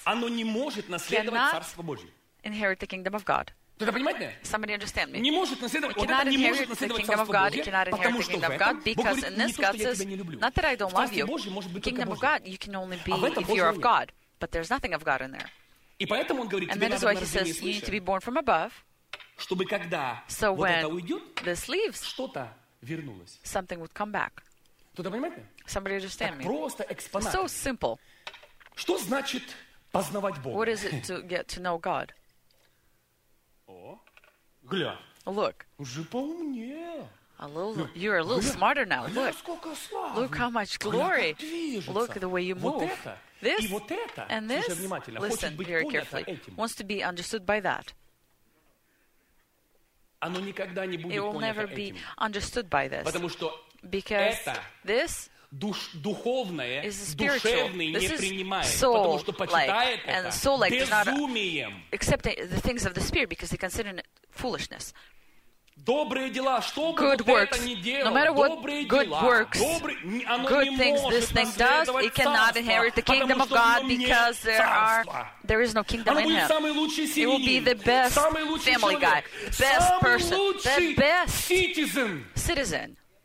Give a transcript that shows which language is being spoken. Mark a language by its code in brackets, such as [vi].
[ru] оно не может наследовать Царство Божье. [en] Inherit the kingdom of God. [ru] Кто-то понимает меня? [en] Somebody understand me. [ru] Не может наследовать. Вот [en] cannot [ru] это не может наследовать [en] the kingdom of God. It cannot inherit the kingdom of God because in this God says, not that I don't love you. Kingdom of God, you can only be if you're of God. But there's nothing of God in there. [ru] И поэтому он говорит, [en] and that is why he says you need to be born from above. [ru] Чтобы когда [en] so [ru] вот [en] when [ru] это уйдет, [en] this leaves, [ru] что-то вернулось. [en] Something would come back. [ru] Кто-то понимает меня? [en] Somebody understand me. [ru] Просто экспонат. [en] So simple. [ru] Что значит познавать Бога? [en] What is it to get to know God? [ru] О, гля. [en] Look. [ru] Уже поумнее. [en] A little, you're a little smarter now. Look. [ru] Сколько славы. [en] Look how much glory. Look at the way you move. This and this. Listen very carefully. Wants to be understood by that. [ru] Оно никогда не будет понято этим. [en] It will never be understood by this. [ru] Потому что это. [en] This. [ru] Духовное, душевное не принимает, потому что почитает это безумием. [en] Except the things of the spirit, because they consider it foolishness. [ru] Добрые дела, что бы ты это ни делал, [en] no matter what good works, good things this thing does, it cannot inherit the kingdom of God because there is no kingdom in him. It will be the best family guy, best person, the best citizen.